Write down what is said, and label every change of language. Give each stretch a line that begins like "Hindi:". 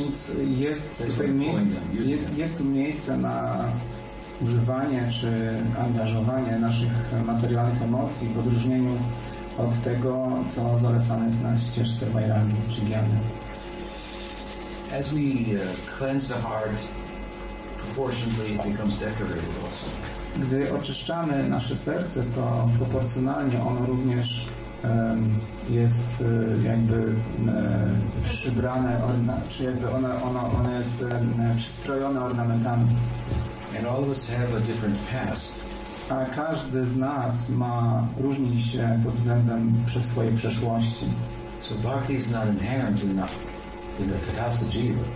Polish: Więc jest tutaj jest miejsce na używanie czy angażowanie naszych materialnych emocji w odróżnieniu od tego, co zalecane jest na ścieżce Vairagya czy Gyany.
English: As we cleanse the heart, proportionally it becomes decorated also.
Polish: Gdy oczyszczamy nasze serce, to proporcjonalnie ono również jest jakby przybrane, czy jakby ono jest przystrojone ornamentami.
English: And all of us have a different past.
Polish: A każdy z nas ma różnić się pod względem przez swojej przeszłości.
English: So bhakti is not inherent in the past of jiva.